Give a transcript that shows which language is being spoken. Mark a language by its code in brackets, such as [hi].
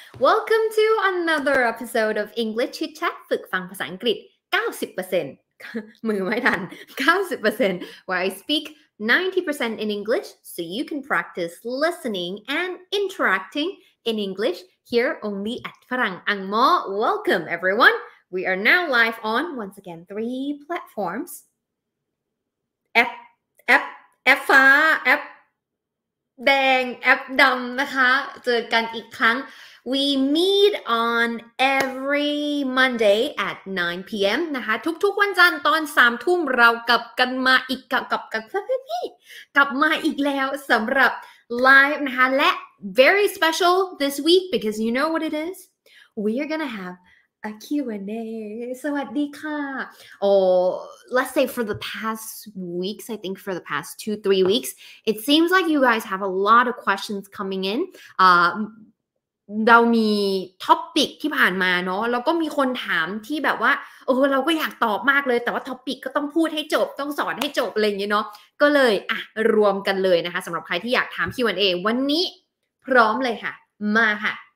[en] Welcome to another episode of English Chitchat [th] ฝึกฟังภาษาอังกฤษ 90% มือไม่ทัน 90% [en] where I speak 90% in English so you can practice listening and interacting in English here only at ฝรั่งอังม้อ Welcome everyone. We are now live on once again three platforms. [th] แอปฟ้าแอปแดงแอปดำนะคะเจอกันอีกครั้ง [en] We meet on every Monday at 9 p.m. [th] นะคะทุกๆวันจันทร์ตอน3ทุ่มเรากลับกันมาอีกกลับมาอีกแล้วสำหรับไลฟ์นะคะและ [en] very special this week because you know what it is we are gonna haveA Q&A. [th] Sawasdee ka. [en] Oh, let's say for the past weeks, I think for the past 2-3 weeks, it seems like you guys have a lot of questions coming in. [th] เรามีท็อปปิกที่ผ่านมาเนาะแล้วก็มีคนถามที่แบบว่าเออเราก็อยากตอบมากเลยแต่ว่าท็อปปิกก็ต้องพูดให้จบต้องสอนให้จบอะไรอย่างเงี้ยเนาะก็เลยอ่ะรวมกันเลยนะคะสำหรับใครที่อยากถาม Q&A วันนี้พร้อมเลยค่ะมาค่ะ